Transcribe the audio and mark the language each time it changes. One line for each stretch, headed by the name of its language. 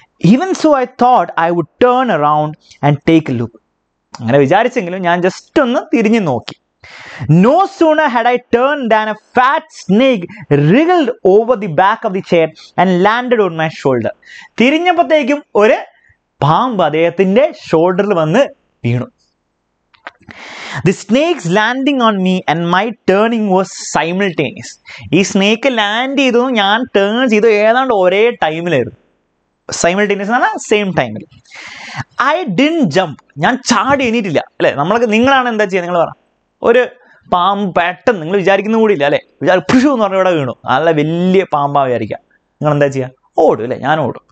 English: Even so, I thought I would turn around and take a look.
Malayalam: അങ്ങനെ വിചാരിച്ചെങ്കിലും ഞാൻ just ഒന്ന് തിരിഞ്ഞ് നോക്കി.
English: No sooner had I turned than a fat snake wriggled over the back of the chair and landed on my shoulder.
Malayalam: തിരിഞ്ഞപ്പോഴത്തേക്കും ഒരു പാമ്പ് അദ്ദേഹത്തിന്റെ ഷോൾഡറിൽ വന്ന് വീണു.
English: The snake's landing on me and my turning was simultaneous.
Malayalam: ഈ snake land ചെയ്തു, ഞാൻ turn ചെയ്തു, ഏതാണ്ട് ഒരേ ടൈമിലായിരുന്നു. സൈമിൾട്ടേനിയസ് എന്നാൽ സെയിം ടൈമിൽ.
English: I didn't jump,
Malayalam: ഞാൻ ചാടി എണീറ്റില്ല. അല്ലെ, നമ്മളൊക്കെ നിങ്ങളാണ് എന്താ ചെയ്യുക, നിങ്ങൾ പറ ഒരു പാമ്പ് പെട്ടെന്ന് നിങ്ങൾ വിചാരിക്കുന്ന കൂടിയില്ല അല്ലെ, വിചാരിച്ചു പുഷു എന്ന് പറഞ്ഞ ഇവിടെ വീണു, നല്ല വലിയ പാമ്പാ വിചാരിക്കുക, നിങ്ങൾ എന്താ ചെയ്യുക, ഓടും അല്ലെ, ഞാൻ ഓടും.